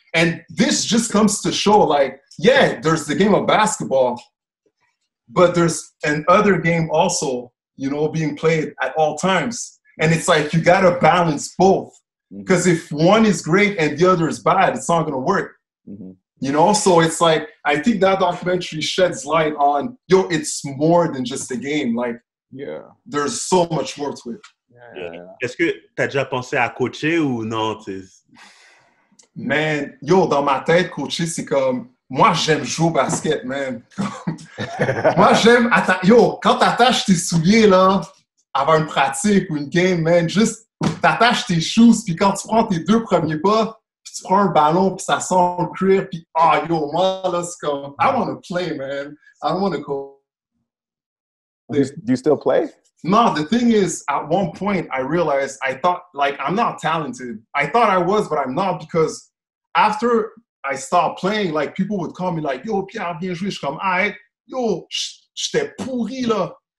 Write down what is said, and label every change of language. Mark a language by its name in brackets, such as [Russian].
[English] And this just comes to show, like, yeah, there's the game of basketball, but there's an other game also, you know, being played at all times. And it's like, you got to balance both. Because if one is great and the other is bad, it's not going to work. Mm-hmm. You know, so it's like, I think that documentary sheds light on, yo, it's more than just a game. Like, yeah, there's so much more to it. Yeah. Yeah. [French] Est-ce que t'as déjà pensé à coacher ou non? Man, yo, dans ma tête, coacher, c'est comme... Moi, j'aime jouer au basket, man. Moi, j'aime... Yo, quand t'attaches tes souliers, là, avant une pratique ou une game, man, juste t'attaches tes shoes, puis quand tu prends tes deux premiers pas, puis tu prends un ballon, puis ça sent le cuir, puis ah, yo, moi, là, c'est comme... [English] I want to play, man. I don't want to go... Do you still play? No, the thing is, at one point, I realized, I thought, like, I'm not talented. I thought I was, but I'm not, because after I stopped playing, like, people would call me, like, yo, Pierre, [French] bien joué, je suis comme, aïe, yo, j'étais pourri, là.